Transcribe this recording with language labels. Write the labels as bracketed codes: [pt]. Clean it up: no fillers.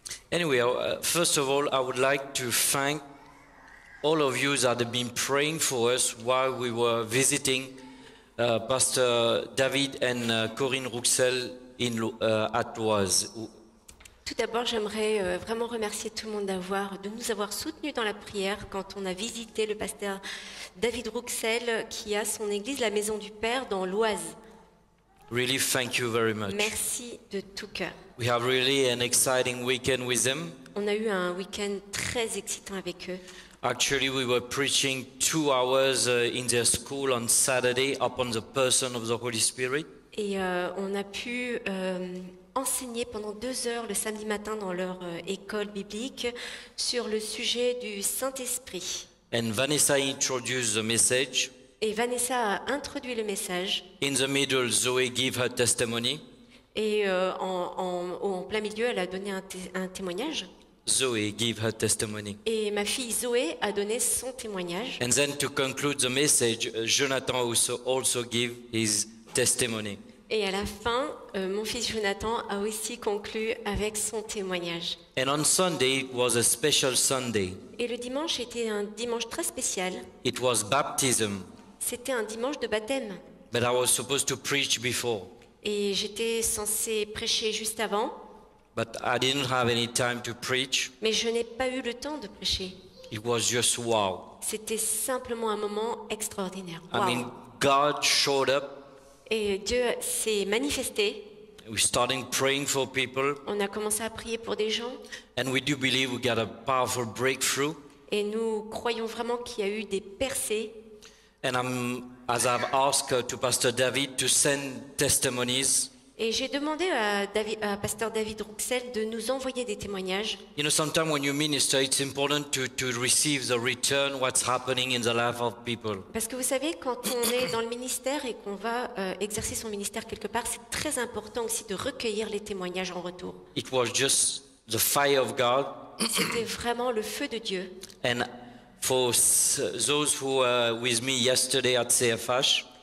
[en] Anyway, first of all, I would like to thank all of you that have been praying for us while we were visiting Pastor David and Corinne Rouxel in at Oise. [fr] Tout d'abord, j'aimerais vraiment remercier tout le monde de nous avoir soutenus dans la prière quand on a visité le pasteur David Rouxel qui a son église, la Maison du Père, dans l'Oise. [en] Really, thank you very much. [fr] Merci de tout cœur. [en] We have really an exciting weekend with them. [fr] On a eu un week-end très excitant avec eux. [en] Actually, we were preaching 2 hours in their school on Saturday upon the person of the Holy Spirit. [fr] Et on a pu enseigner pendant 2 heures le samedi matin dans leur école biblique sur le sujet du Saint-Esprit. [en] And Vanessa introduced the message. [fr] Et Vanessa a introduit le message. [en] In the middle, Zoe gave her testimony. [fr] Et en plein milieu, elle a donné un témoignage. [en] Zoe gave her testimony. [fr] Et ma fille Zoe a donné son témoignage. [en] And then to conclude the message, Jonathan also gave his testimony. [fr] Et à la fin, mon fils Jonathan a aussi conclu avec son témoignage. [en] And on Sunday, it was a special Sunday. [fr] Et le dimanche était un dimanche très spécial. [en] It was baptism. [fr] C'était un dimanche de baptême. [en] But I was supposed to preach before. [fr] Et j'étais censé prêcher juste avant. [en] But I didn't have any time to preach. [fr] Mais je n'ai pas eu le temps de prêcher. [en] It was just wow. [fr] C'était simplement un moment extraordinaire. Wow. [en] I mean, God showed up. [fr] Et Dieu s'est manifesté. [en] We're starting praying for people. [fr] On a commencé à prier pour des gens. [en] And we do believe we got a powerful breakthrough. [fr] Et nous croyons vraiment qu'il y a eu des percées. [en] And as I've asked to Pastor David to send testimonies. [fr] Et j'ai demandé à Pasteur David Rouxel de nous envoyer des témoignages. [en] You know, sometimes when you minister, it's important to receive the return what's happening in the life of people. [fr] Parce que vous savez, quand on est dans le ministère et qu'on va exercer son ministère quelque part, c'est très important aussi de recueillir les témoignages en retour. [en] It was just the fire of God. [fr] C'était vraiment le feu de Dieu. [en] And for those who were with me yesterday at CFH.